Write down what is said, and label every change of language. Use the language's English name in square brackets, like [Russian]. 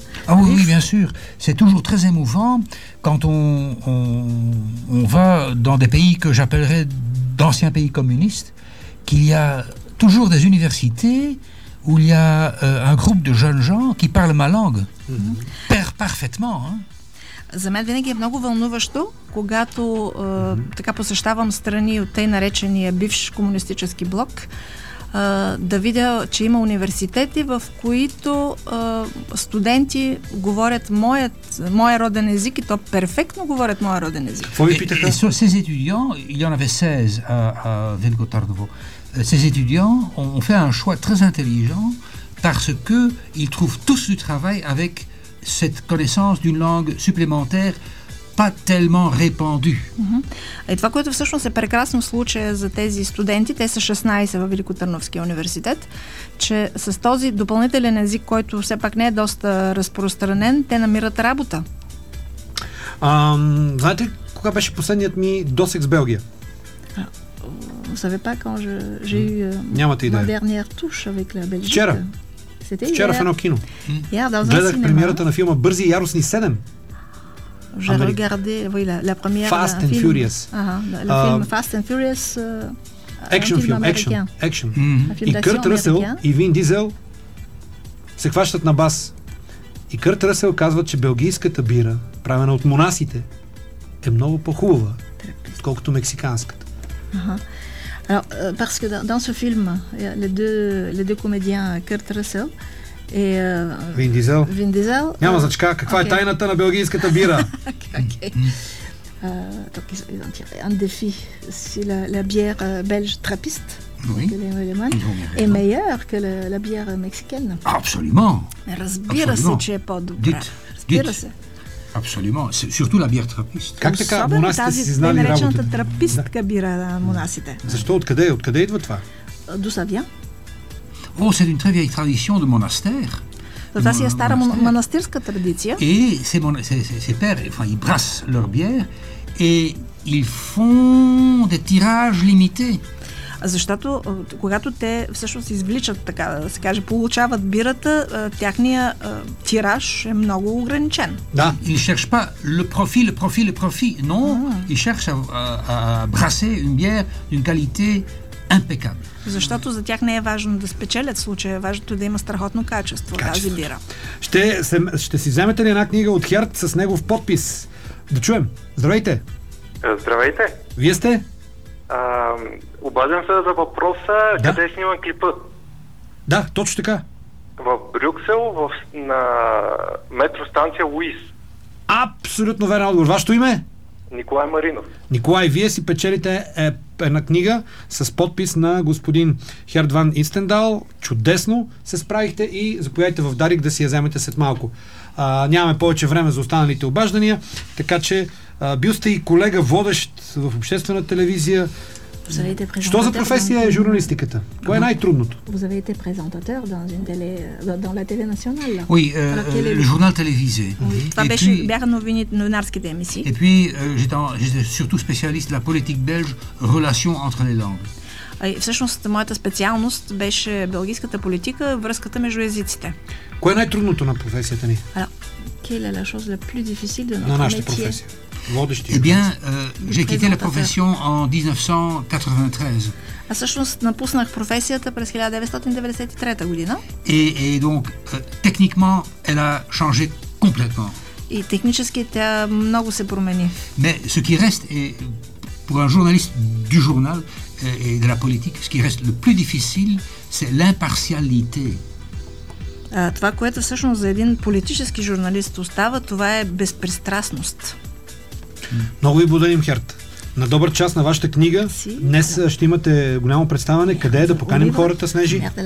[French] Ah oui, bien sûr. C'est toujours très émouvant quand on va dans des pays que j'appellerais d'anciens pays communistes, qu'il y a toujours des universités où il y a un groupe de jeunes gens qui parlent ma langue. Parfaitement, hein. [Bulgarian] За мен винаги е много вълнуващо, когато така посещавам страни от тъй наречения бивш комунистически блок, да видя, че има университети, в които студенти говорят моя роден език и то перфектно говорят моя роден език. Какво ви питаха? И сега тези студенти, [French] има 16 в Велико Търново, тези студенти, ont fait un choix très intelligent parce que ils trouvent tous du travail avec cette connaissance d'une langue supplémentaire pas tellement répandue. [Bulgarian] Mm-hmm. Е, това, което всъщност е прекрасно случая за тези студенти, те са 16 в Великотърновския университет, че с този допълнителен език, който все пак не е доста разпространен, те намират работа. Знаете ли, кога беше последният ми досек с Белгия? [French] Vous savez pas quand j'ai eu ma dernière touche avec la Belgique? [Bulgarian] Вчера. Вчера в едно кино. Гледах премиерата на филма Бързи и яростни 7. [English] Fast and Furious. [Bulgarian] Екшен филм. Екшен. И Кърт Ръсел и Вин Дизел се хващат на бас. И Кърт Ръсел казва, че белгийската бира, правена от монасите, е много по-хубава, отколкото мексиканската. [French] Alors, parce que dans ce film, les deux comédiens, Kurt Russell et Vin Diesel. [Bulgarian] Няма значка, каква е тайната на белгийската бира? [French] Donc, ils ont tiré un défi. C'est la bière belge trappiste. Oui. Est meilleure que la bière mexicaine. Absolument. [Bulgarian] Разбира се, че е по-добра. [French] Дит. Абсолютно. Сурто на бир трапист. [Bulgarian] Как така монасите си знали работата? Особено тази наречената трапистка бира на монасите. Защо? Откъде идва това? [French] d'où ça vient? Oh, c'est une très vieille tradition de monastère. Et ces pères, enfin, ils brassent leur bière et ils font des tirages limités. [Bulgarian] Защото когато те всъщност извличат, така да се каже, получават бирата, тяхния тираж е много ограничен. [French] Да, ils cherchent pas le profit, le profit, le profit. Non, ils cherchent à brasser une bière d'une qualité impeccable. [Bulgarian] Защото за тях не е важно да спечелят случая, важното е да има страхотно качество, тази бира. Ще си вземете ли една книга от Херт с негов подпис? Да чуем. Здравейте! Здравейте! Вие сте? Обаден се за въпроса, да? Къде снимам клипа? Да, точно така. В Брюксел, на метростанция Луис. Абсолютно верен отговор. Вашето име? Николай Маринов. Николай, вие си печелите една книга с подпис на господин Херт ван Инстендал. Чудесно се справихте и заповядайте в Дарик да си я вземете след малко. Нямаме повече време за останалите обаждания, така че бил сте и колега водещ в обществена телевизия. Що за професия е журналистиката? Кое е най-трудното? [French] Vous avez été présentateur dans une télé dans la télé nationale. Oui, le journal télévisé. [Bulgarian] Бяха новинарските емисии. [French] Et puis j'étais surtout spécialiste de la politique belge, relations entre les langues. [Bulgarian] Всъщност моята специалност беше белгийската политика, връзката между езиците. Кое е най-трудното на професията ни? [French] Quelle est la chose la plus difficile de notre métier? Eh bien, j'ai quitté la profession en 1993. Et donc, techniquement, elle a changé complètement. Mais ce qui reste, est, pour un journaliste du journal et de la politique, ce qui reste le plus difficile, c'est l'impartialité. [Bulgarian] Това, което всъщност за един политически журналист остава, това е безпристрастност. Много ви благодарим, Херт. На добър час на вашата книга. Днес ще имате голямо представане. Къде е да поканим хората, Снежи?